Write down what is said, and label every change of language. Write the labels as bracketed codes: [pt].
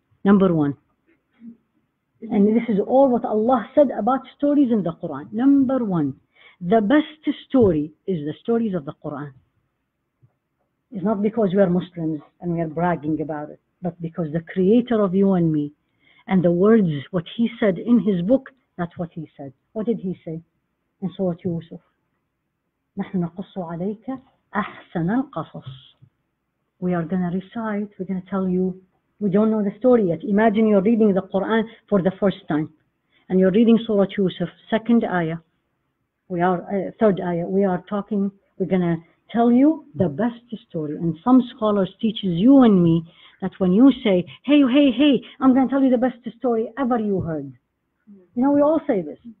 [en] Number one, and this is all what Allah said about stories in the Quran. Number one, the best story is the stories of the Quran. It's not because we are Muslims and we are bragging about it, but because the creator of you and me and the words, what he said in his book, that's what he said. What did he say? In Surah Yusuf, [ar] نحن نقص عليك أحسن القصص. [en] We are going to recite, we're going to tell you, we don't know the story yet. Imagine you're reading the Quran for the first time, and you're reading Surah Yusuf, second ayah, third ayah, we are talking, we're going to tell you the best story. And some scholars teaches you and me that when you say, hey, I'm going to tell you the best story ever you heard. You know, we all say this.